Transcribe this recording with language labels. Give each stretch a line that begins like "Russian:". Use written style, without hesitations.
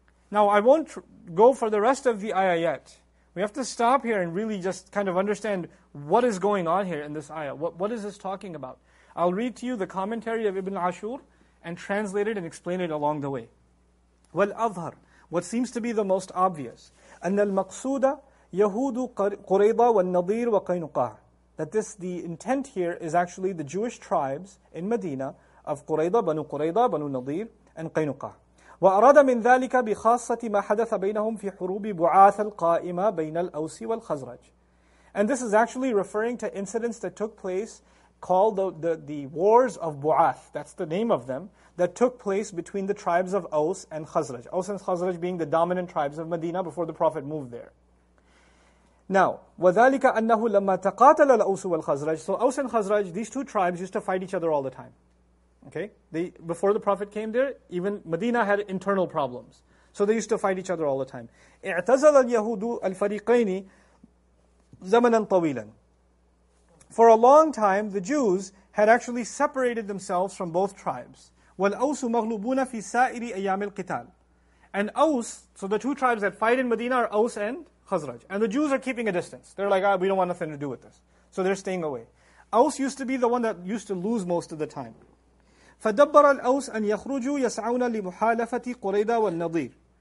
English: Now I won't go for the rest of the ayah yet. We have to stop here and really just kind of understand what is going on here in this ayah. What is this talking about? I'll read to you the commentary of Ibn Ashur and translate it and explain it along the way.
Arabic: وَالْأَظْهَرُ.
English: What seems to be the most obvious.
Arabic: أَنَّ الْمَقْصُودَ يهود قريضة والنضير وقينقاع.
English: That this, the intent here is actually the Jewish tribes in Medina of قريضة, بنو قريضة, بنو نضير, and قينقاع.
Arabic: وأراد من ذلك بخاصة ما حدث بينهم في حروب بعاث القائمة بين الأوس والخزرج.
English: And this is actually referring to incidents that took place called the wars of بعاث. That's the name of them, that took place between the tribes of Aus and Khazraj. Aus and Khazraj being the dominant tribes of Medina before the Prophet moved there.
Arabic: Now, وَذَلِكَ أَنَّهُ لَمَّا تَقَاتَلَ الْأَوْسُ وَالْخَزْرَجِ.
English: So Aus and Khazraj, these two tribes used to fight each other all the time. Okay? Before the Prophet came there, even Medina had internal problems. So they used to fight each other all the time.
Arabic: اِعْتَزَلَ الْيَهُودُ الْفَرِيقَيْنِ زَمَنًا طَوِيلًا.
English: For a long time, the Jews had actually separated themselves from both tribes.
Arabic: والأوس مغلوبون في سائر أيام القتال.
English: And Aus, so the two tribes that fight in Medina are Aus and Khazraj. And the Jews are keeping a distance. They're like, we don't want nothing to do with this. So they're staying away. Aus used to be the one that used to lose most of the time.
Arabic: فدبر الأوس أن يخرجوا يسعون لمحالفة قريدة والنضير.